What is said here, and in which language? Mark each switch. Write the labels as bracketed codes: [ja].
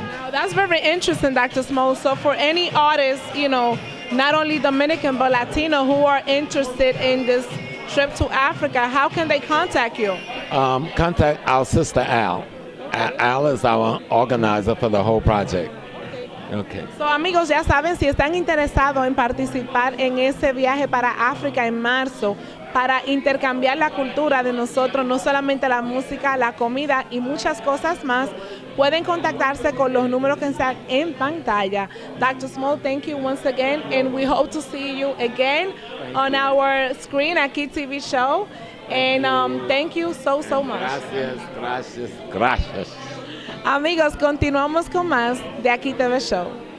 [en] Now, that's very interesting, Dr. Small. So for any artists, you know, not only Dominican but Latino who are interested in this trip to Africa, how can they contact you? Contact our sister Al. Al is our organizer for the whole project. Okay. [es] So amigos, ya saben, si están interesados en participar en ese viaje para África en marzo, para intercambiar la cultura de nosotros, no solamente la música, la comida y muchas cosas más, pueden contactarse con los números que están en pantalla. [en] Dr. Small, thank you once again, and we hope to see you again on our screen at Aquí TV show. And thank you so much. [es] Gracias, gracias, gracias. Amigos, continuamos con más de Aquí TV Show.